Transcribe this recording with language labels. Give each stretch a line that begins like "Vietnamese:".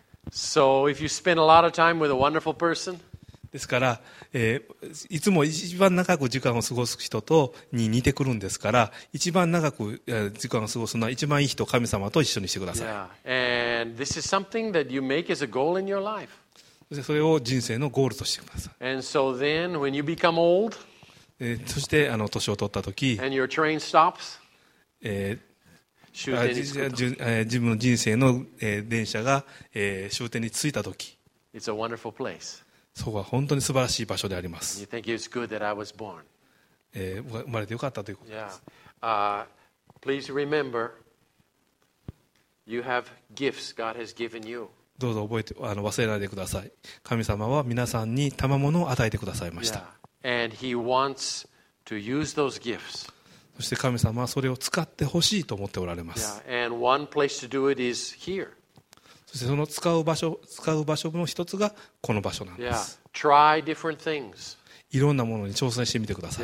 English: So if you spend a lot of time with a wonderful person,
Japanese: ですから、いつも一番長く時間を過ごす人とに似てくるんですから一番長く時間を過ごすのは一番いい人神様と一緒にしてください。
English: And this is something that you make as a goal in your life.
Japanese: それを人生のゴールとしてください。
English: And so then when you become old,
Japanese: そして年を取った時
English: and your train stops,
Japanese: 自分の人生の電車が終点に着いた時
English: it's a wonderful place.
Japanese: そこは本当に素晴らしい場所であります。
English: You think it's good that I was born.
Japanese: 生まれてよかったということです。
English: Yeah. Please remember, you have gifts God has given you.
Japanese: どうぞ覚えて忘れないでください。神様は皆さんに賜物を与えてくださいました。
English: Yeah. And He wants to use those gifts.
Japanese: そして神様はそれを使ってほしいと思っておられます。
English: Yeah. And one place to do it is here.
Japanese: そしてその使う場所の一つがこの場所なんです。
English: Yeah. Try different things.
Japanese: いろんなものに挑戦してみてください。